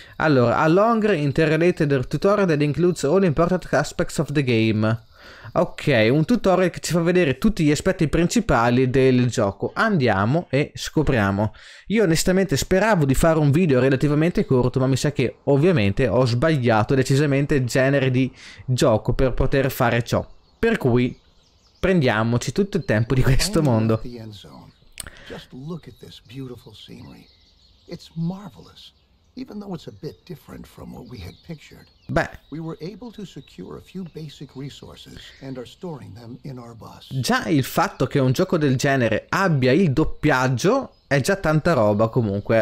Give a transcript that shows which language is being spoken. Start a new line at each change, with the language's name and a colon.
English: Allora, a long interrelated tutorial that includes all important aspects of the game.
Italian: Ok, un tutorial che ci fa vedere tutti gli aspetti principali del gioco. Andiamo e scopriamo. Io onestamente speravo di fare un video relativamente corto, ma mi sa che ovviamente ho sbagliato decisamente il genere di gioco per poter fare ciò. Per cui prendiamoci tutto il tempo di questo mondo.
English: Just look at this beautiful scenery. It's marvelous, even though it's a bit different from what we had pictured. Beh, we were able to secure a few basic resources and are storing them in our bus.
Italian: Già il fatto che un gioco del genere abbia il doppiaggio è già tanta roba, comunque.